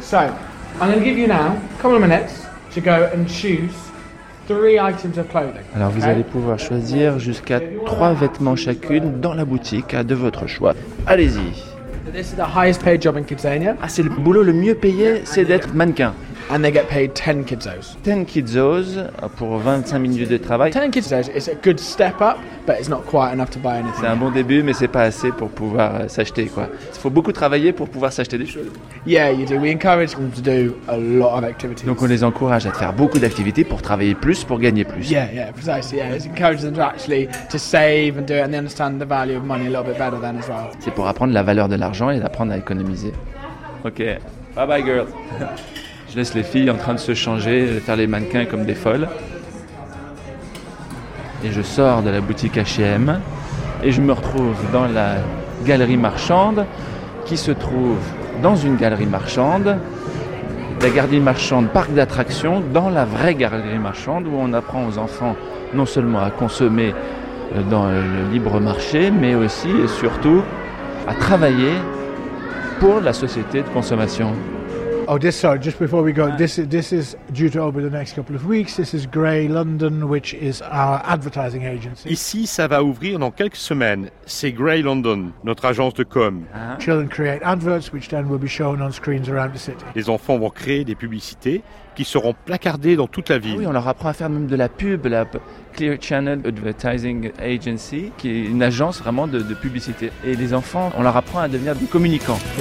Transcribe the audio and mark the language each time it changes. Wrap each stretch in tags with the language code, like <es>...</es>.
<en>So, I'm going to give you now a couple of minutes to go and choose three items of clothing.</en> <fr>Alors vous allez pouvoir choisir jusqu'à 3 vêtements chacune dans la boutique de votre choix. Allez-y.</fr> <en>This is the highest paid job in Kidzania.</en> <fr>Ah, c'est le boulot le mieux payé, c'est d'être mannequin.</fr> <en>And they get paid 10 kidzos.</en> <fr>10 kidzos pour 25 minutes de travail.</fr> <en>10 kidzos is a good step up, but it's not quite enough to buy anything.</en> <fr>C'est un bon début, mais c'est pas assez pour pouvoir s'acheter quoi. Il faut beaucoup travailler pour pouvoir s'acheter des choses.</fr> <en>Yeah, you do. We encourage them to do a lot of activities.</en> <fr>Donc on les encourage à faire beaucoup d'activités pour travailler plus, pour gagner plus.</fr> <en>Yeah, yeah, precisely. Yeah, it encourages them to actually to save and do it, and they understand the value of money a little bit better then as well.</en> <fr>C'est pour apprendre la valeur de l'argent et d'apprendre à économiser. Ok.</fr> <en>Bye bye, girls.</en> <fr>Je laisse les filles en train de se changer, faire les mannequins comme des folles. Et je sors de la boutique H&M et je me retrouve dans la galerie marchande qui se trouve dans une galerie marchande, la galerie marchande parc d'attractions, dans la vraie galerie marchande où on apprend aux enfants non seulement à consommer dans le libre marché, mais aussi et surtout à travailler pour la société de consommation.</fr> <en>Oh, this, sorry, just before we go, this is due to open the next couple of weeks. This is Grey London, which is our advertising agency.</en> <fr>Ici, ça va ouvrir dans quelques semaines. C'est Grey London, notre agence de com. Uh-huh.</fr> <en>Children create adverts, which then will be shown on screens around the city.</en> <fr>Les enfants vont créer des publicités qui seront placardées dans toute la ville. Oui, on leur apprend à faire même de la pub, la Clear Channel Advertising Agency, qui est une agence vraiment de publicité. Et les enfants, on leur apprend à devenir des communicants.</fr>